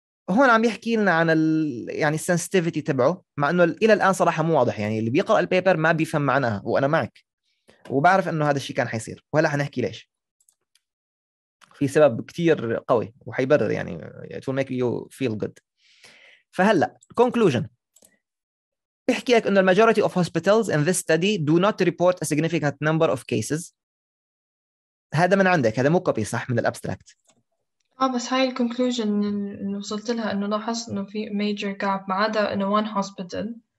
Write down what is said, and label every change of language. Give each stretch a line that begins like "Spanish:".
Arabic: هون عم يحكي لنا عن يعني السنسيتيفيتي تبعه، مع انه الى الان صراحه مو واضح، يعني اللي بيقرا البيبر ما بيفهم معناها، وانا معك وبعرف انه هذا الشيء كان حيصير، وهلا حنحكي ليش. في سبب كتير قوي وحيبرر يعني
English: it will make you feel good.
Arabic: فهلا
English: conclusion
Arabic: بيحكي لك انه
English: the majority of hospitals in this study do not report a significant number of cases.
Arabic: هذا من عندك، هذا مو كوبي صح من الابستراكت؟ بس هاي الكونكلوجن اللي وصلت لها انه لاحظت انه في ميجر جاب ما عدا انه وان هوسبيتال.